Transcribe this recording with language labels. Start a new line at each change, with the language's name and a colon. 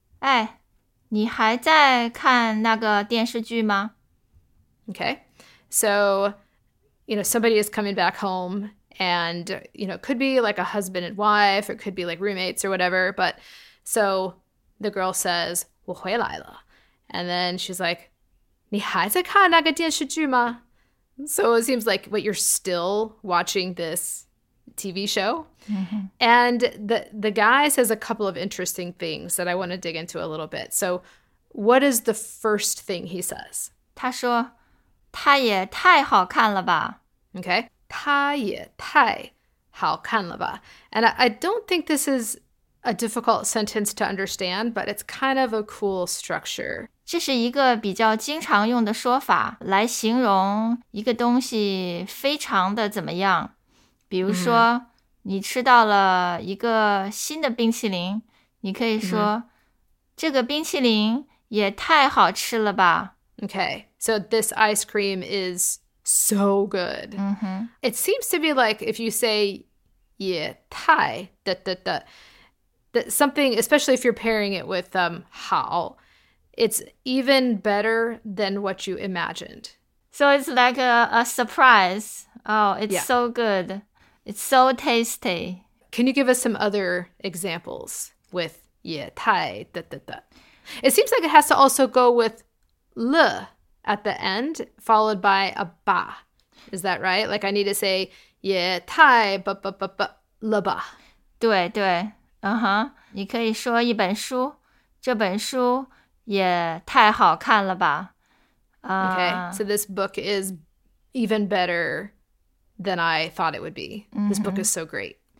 Chinese: 哎，你还在看那个电视剧吗？
English: Okay, so, you know, somebody is coming back home and, you know, it could be like a husband and wife, or it could be like roommates or whatever. But so the girl says,
Chinese: 我回来了。
English: And then she's like,
Chinese: 你还在看那个电视剧吗？
English: So it seems like, wait, you're still watching this TV show? Mm-hmm. And the guy says a couple of interesting things that I want to dig into a little bit. So what is the first thing he says?
Chinese: 他说，他也太好看了吧。
English: Okay.
Chinese: 他也太好看了吧。
English: And I don't think this is a difficult sentence to understand, but it's kind of a cool structure.
Chinese: 这是一个比较经常用的说法，来形容一个东西非常的怎么样。比如说，你吃到了一个新的冰淇淋，你可以说，这个冰淇淋也太好吃了吧。
English: Okay, so this ice cream is so good. Mm-hmm. It seems to be like if you say 也太 that something, especially if you're pairing it with 好, it's even better than what you imagined. So it's like a surprise. Oh, it's so good. It's so tasty. Can you give us some other examples with 也太 It seems like it has to also go with 了 at the end, followed by a 吧. Is that right? Like I need to say 也太 了吧.
Chinese: 对对，你可以说一本书，这本书也太好看了吧。
English: Okay, so this book is even better than I thought it would be. This book is so great.